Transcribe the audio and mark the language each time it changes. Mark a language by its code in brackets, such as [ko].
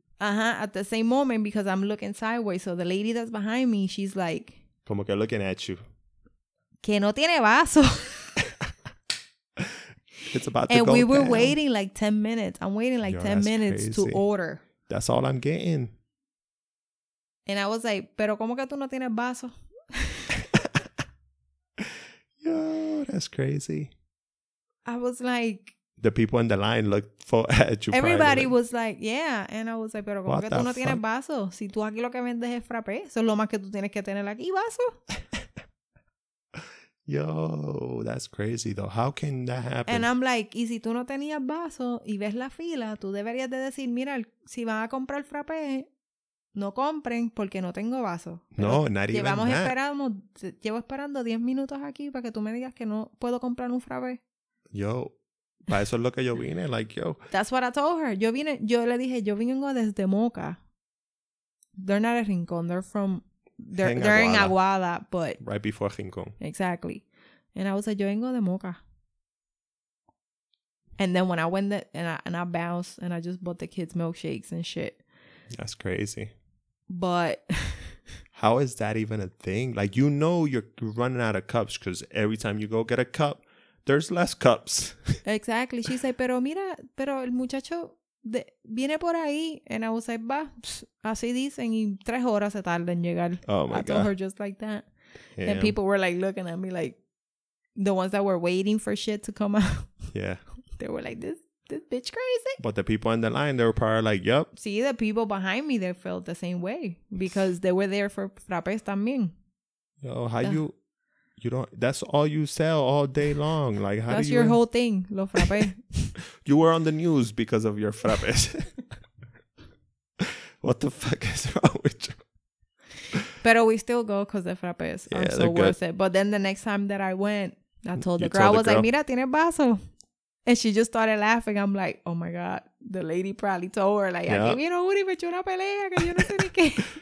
[en] Uh-huh, at the same moment, because I'm looking sideways. So the lady that's behind me, she's like, [es] como que [en] looking at you. [es] Que no tiene vaso. [en] It's about to and go we were down. Waiting like 10 minutes. I'm waiting like, yo, 10 minutes crazy. To order. That's all I'm getting. And I was like, [es] pero como que tú no tienes vaso? [en] Yo, that's crazy. I was like, the people in the line looked for at you. Everybody was like, yeah. And I was like, [es] pero como que tú no tienes vaso? Si tú aquí lo que vendes es frappé, eso es lo más que tú tienes que tener aquí, vaso. [en] Yo, that's crazy though. How can that happen? And I'm like, [es] y si tú no tenías vaso y ves la fila, tú deberías de decir, mira, si van a comprar frappé, no compren porque no tengo vaso. Pero no, [en] not even [es] llevamos [en] that. [es] Llevo esperando 10 minutos aquí para que tú me digas que no puedo comprar un frappé. Yo, para eso es lo que yo vine, like, yo. [en] That's what I told her. [es] Yo le dije, yo vengo desde Moca. [en] They're not a Rincón, they're from... They're in Aguada, but... Right before Rincón. Exactly. And I was like, [es] yo vengo de Moca. [en] And then when I went there, and I bounced, and I just bought the kids milkshakes and shit. That's crazy. But... How is that even a thing? Like, you know you're running out of cups, because every time you go get a cup, there's less cups. Exactly. She said, [es] pero mira, pero el muchacho viene por ahí. [en] And I was like, [es] va, así dicen, y 3 horas se tarda en llegar. [en] Oh my God. I told her just like that. Damn. And people were like looking at me like, the ones that were waiting for shit to come out. Yeah. They were like, this bitch crazy. But the people in the line, they were probably like, yep. See, the people behind me, they felt the same way, because they were there for frappes [es] también. [en] Yo, that's all you sell all day long. Like, how that's do you your end? Whole thing, lo frappe. You were on the news because of your frappes. What the fuck is wrong with you? Pero we still go because the frappes are so good. Worth it. But then the next time that I went, I told the girl, I was like, [es] mira, tiene vaso. [en] And she just started laughing. I'm like, oh my God, the lady probably told her, like, yeah. [es] Aquí vino Uri, me echó una pelea, que yo no sé ni qué.